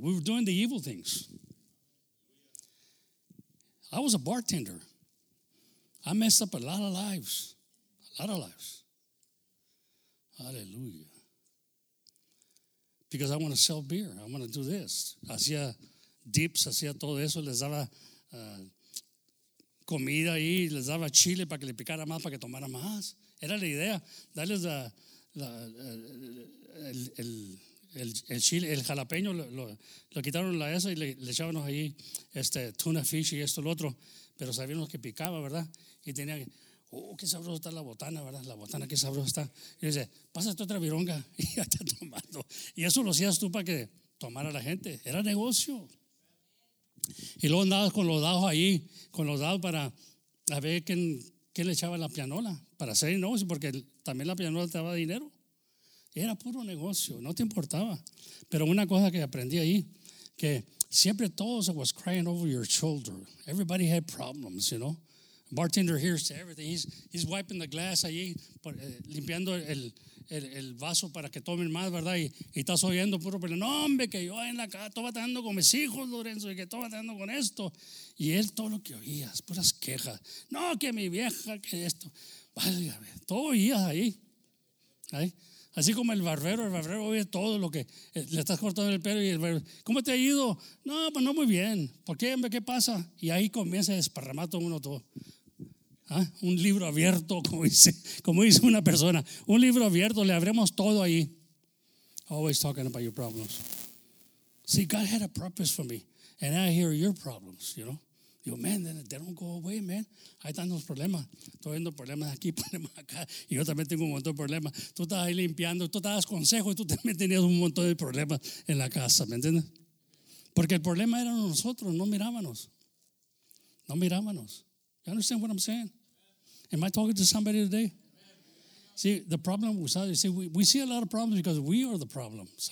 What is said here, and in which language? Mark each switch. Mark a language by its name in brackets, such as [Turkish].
[English] We were doing the evil things. I was a bartender. I messed up a lot of lives. A lot of lives. Aleluya. Because I want to sell beer. I want to do this. [Spanish] Hacía dips, hacía todo eso. Les daba comida ahí. Les daba chile para que le picara más, para que tomara más. Era la idea. Darles el chile, el jalapeño. Lo quitaron la esa y le echaban ahí tuna fish y esto, lo otro. Pero sabíamos que picaba, ¿verdad? Y tenía que... Oh, qué sabroso está la botana, ¿verdad? La botana, qué sabroso está. Y dice, pásate otra vironga. Y ya está tomando. Y eso lo hacías tú para que tomara la gente. Era negocio. Y luego andabas con los dados ahí, con los dados para a ver quién le echaba la pianola para hacer negocio, porque también la pianola te daba dinero. Era puro negocio, no te importaba. Pero una cosa que aprendí ahí, que siempre todos [English] was crying over your shoulder. Everybody had problems, you know. Bartender hears everything. He's wiping the glass [Spanish] allí, limpiando el vaso para que tomen más, ¿verdad? Y estás oyendo puro, pero no, hombre, que yo en la casa estoy batallando con mis hijos, Lorenzo, y que estoy batallando con esto. Y él todo lo que oías, puras quejas. No, que mi vieja, que esto. Válgame, todo oías ahí. ¿Ay? Así como el barbero oye todo lo que le estás cortando el pelo y el barbero, ¿cómo te ha ido? No, pues no muy bien. ¿Por qué, hombre? ¿Qué pasa? Y ahí comienza a desparramar todo uno todo. ¿Ah? Un libro abierto, como dice una persona. Un libro abierto, le abrimos todo ahí. [English] Always talking about your problems. See, God had a purpose for me. And I hear your problems, you know. Digo, man, they don't go away, man. [Spanish] Ahí están los problemas. Estoy viendo problemas aquí, problemas acá. Y yo también tengo un montón de problemas. Tú estás ahí limpiando, tú te das consejos y tú también tenías un montón de problemas en la casa, ¿me entiendes? Porque el problema era nosotros, no mirábamos. No mirábamos. [English] You understand what I'm saying? Am I talking to somebody today? See, the problem was others. See, we see a lot of problems because we are the problem.